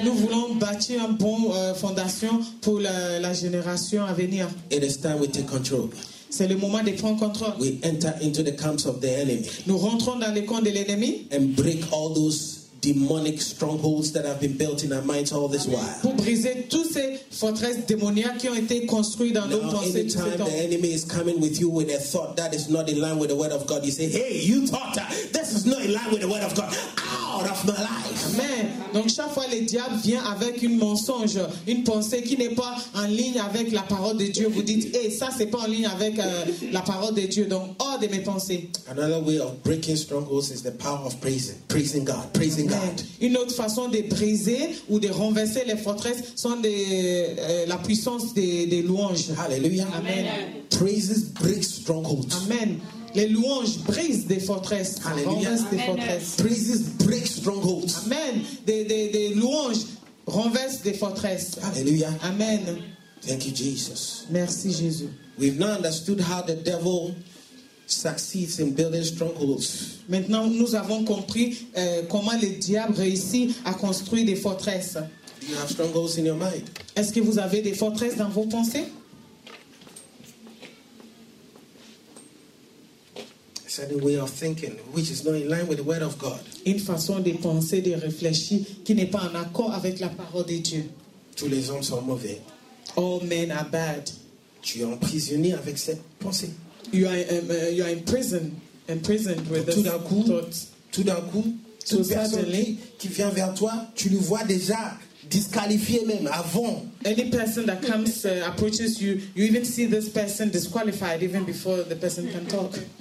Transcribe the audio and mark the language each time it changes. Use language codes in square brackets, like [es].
[fr] Nous voulons bâtir un bon fondation pour la génération à venir. [en] It is time we take control. [fr] C'est le moment de prendre contrôle. [en] We enter into the camps of the enemy. [fr] Nous rentrons dans les camps de l'ennemi. [en] And break all those demonic strongholds that have been built in our minds all this while. [fr] Pour briser toutes ces forteresses démoniaques qui ont été construites dans nos pensées. [en] Now, any time the enemy is coming with you with a thought that is not in line with the word of God, you say, "Hey, you thought this is not in line with the word of God. Out of my life." Amen. [fr] Donc chaque fois le diable vient avec une mensonge, une pensée qui n'est pas en ligne avec la parole de Dieu. Vous dites, "Hey, ça c'est pas en ligne avec la parole de Dieu." Donc hors de mes pensées. [en] Another way of breaking strongholds is the power of praising, praising God, praising. [fr] Une autre façon de briser ou de renverser les forteresses sont la puissance des louanges. Hallelujah. Amen. [en] Praises break strongholds. [fr] Amen. Les louanges brisent des forteresses. Hallelujah. Renversent des forteresses. [en] Praises break strongholds. [fr] Amen. Des louanges renversent des forteresses. Hallelujah. Amen. [en] Thank you, Jesus. [fr] Merci Jésus. [en] We've now understood how the devil succeeds in building strongholds. [fr] Maintenant, nous avons compris comment le diable réussit à construire des forteresses. [en] Do you have strongholds in your mind? [fr] Est-ce que vous avez des forteresses dans vos pensées? [en] It's a new way of thinking, which is not in line with the word of God. [fr] Une façon de penser, de réfléchir, qui n'est pas en accord avec la parole de Dieu. Tous les hommes sont mauvais. [en] All men are bad. [fr] Tu es emprisonné avec cette pensée. [en] You are imprisoned with this thought. [fr] Tout d'un coup, toute personne qui vient vers toi, tu le vois déjà disqualifié même avant. [en] Any person that comes approaches you, you even see this person disqualified even before the person can talk.